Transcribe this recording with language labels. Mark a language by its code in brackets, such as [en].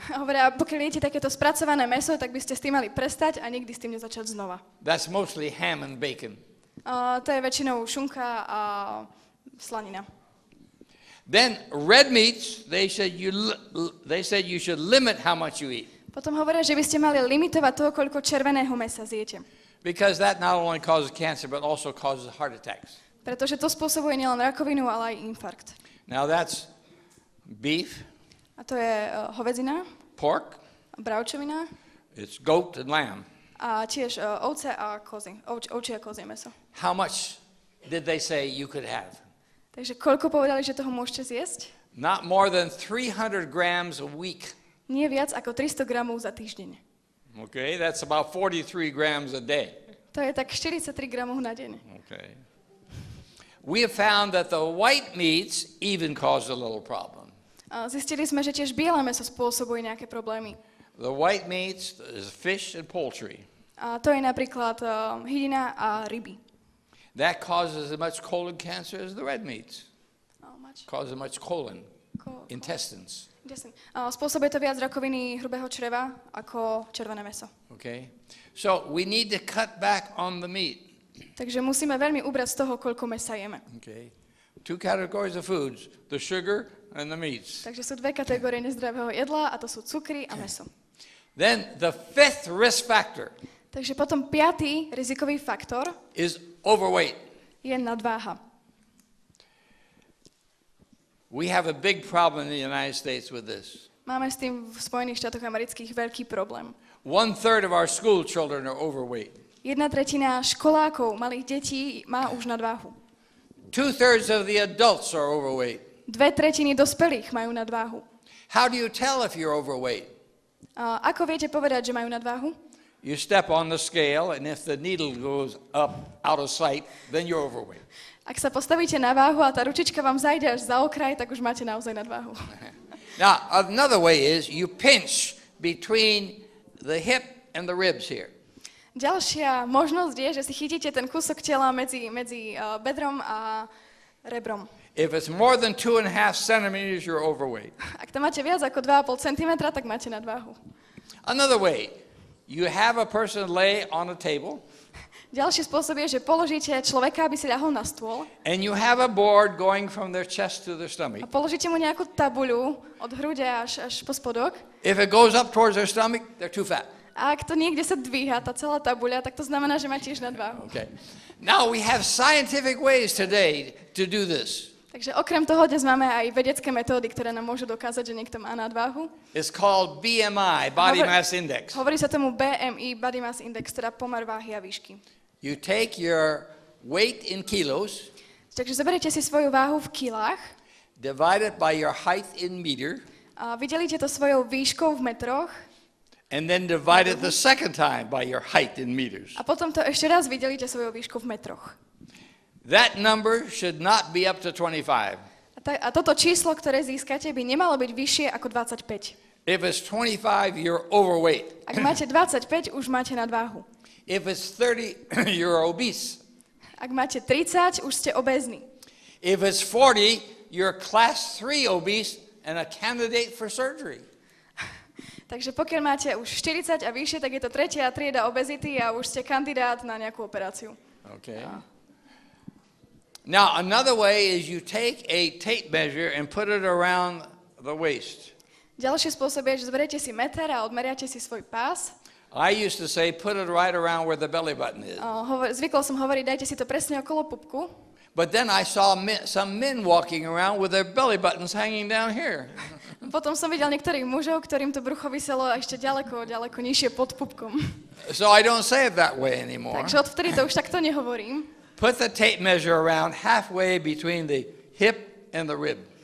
[sk] Hovoria, pokiaľ jete takéto spracované meso, tak by ste s tým mali prestať a nikdy s tým nezačať znova. [en] That's mostly ham and bacon. [sk] To je väčšinou šunka a slanina. [en] Then red meats, they said you limit how much you eat. [sk] Potom hovoria, že by ste mali limitovať to, koľko červeného mesa zjete. [en] Because that not only causes cancer but also causes heart attacks. [sk] Pretože to spôsobuje nielen rakovinu, ale aj infarkt. [en] Now that's beef. [sk] A to je hovädzina. [en] Pork. [sk] Bravčovina. [en] It's goat and lamb. [sk] A tiež ovce a kozy. Ovčie a kozie meso. [en] How much did they say you could have? [sk] Takže koľko povedali, že toho môžete zjesť? [en] Not more than 300 grams a week. [sk] Nie viac ako 300 gramov za týždeň. [en] Okay, that's about 43 grams a day. [sk] To je tak 43 gramov na deň. [en] Okay. We have found that the white meats even cause a little problem. [sk] Zistili sme, že tiež biele meso spôsobuje nejaké problémy. [en] The white meats is fish and poultry. [sk] A to je napríklad hydina a ryby. [en] That causes as much colon cancer as the red meats. Causes much colon, intestines. [sk] Spôsobuje to viac rakoviny hrubého čreva ako červené meso. [en] Okay. So we need to cut back on the meat. [sk] Takže musíme veľmi ubrať z toho, koľko mesa jeme. [en] Okay. Two categories of foods, the sugar and the meats. [sk] Takže sú dve kategórie nezdravého jedla a to sú cukry a meso. [en] Then the fifth risk factor. [sk] Takže potom piatý rizikový faktor [en] is overweight. [sk] Je nadváha. [en] We have a big problem in the United States with this. [sk] Máme s tým v Spojených štátoch amerických veľký problém. [en] 1/3 of our school children are overweight. [sk] 1/3 školákov, malých detí má už nadváhu. [en] 2/3 of the adults are overweight. [sk] 2/3 dospelých majú nadváhu. [en] How do you tell if you're overweight? [sk] Ako viete povedať, že majú nadváhu? [en] You step on the scale and if the needle goes up out of sight, then you're overweight. [sk] Ak sa postavíte na váhu a tá ručička vám zajde až za okraj, tak už máte naozaj nadváhu. [en] Now, another way is you pinch between the hip and the ribs here. [sk] Ďalšia možnosť je, že si chytíte ten kúsok tela medzi bedrom a rebrom. [en] If it's more than 2.5 centimeters, you're overweight. [sk] Ak to máte viac ako 2,5 cm, tak máte nadváhu. [en] Another way, you have a person lay on a table. [sk] Ďalší spôsob je, že položíte človeka, aby si ľahol na stôl. [en] And you have a board going from their chest to their stomach. [sk] A položíte mu nejakú tabuľu od hrude až po spodok. [en] If it goes up towards their stomach, they're too fat. [sk] A ak to niekde sa dvíha, tá celá tabuľa, tak to znamená, že má tiež nadváhu. [en] Okay. Now we have scientific ways today to do this. [sk] Takže okrem toho dnes máme aj vedecké metódy, ktoré nám môžu dokázať, že niekto má nadváhu. [en] It's called BMI, Body Mass Index. [sk] Hovorí sa tomu BMI, Body Mass Index, teda pomer váhy a výšky. [en] You take your weight in kilos. [sk] Takže zoberiete si svoju váhu v kilách. [en] Divided by your height in meter. [sk] A vydelíte to svojou výškou v metroch. [en] And then divide it the second time by your height in meters. [sk] A potom to ešte raz vydelíte svojou výškou v metroch. [en] That number should not be up to 25. [sk] A toto číslo, ktoré získate, by nemalo byť vyššie ako 25. [en] If it's 25, you're overweight. [sk] Ak máte 25, už máte nadváhu. [en] If it's 30, you're obese. [sk] Ak máte 30, už ste obézny. [en] If it's 40, you're class 3 obese and a candidate for surgery. [sk] Takže pokiaľ máte už 40 a vyššie, tak je to tretia trieda obezity a už ste kandidát na nejakú operáciu. [en] Okay. Now another way is you take a tape measure and put it around the waist. [sk] Ďalší spôsob je, že zoberiete si meter a odmeriate si svoj pás. [en] I used to say put it right around where the belly button is. [sk] Zvykol som hovoriť, dajte si to presne okolo pupku. [en] But then I saw some men walking around with their belly buttons hanging down here. [sk] Potom som videl niektorých mužov, ktorým to brucho viselo ešte ďaleko, ďaleko nižšie pod pupkom. [en] So I don't say it that way anymore. [sk] Takže odvtedy to už takto nehovorím. [en] Put the tape measure around halfway between the hip and the rib.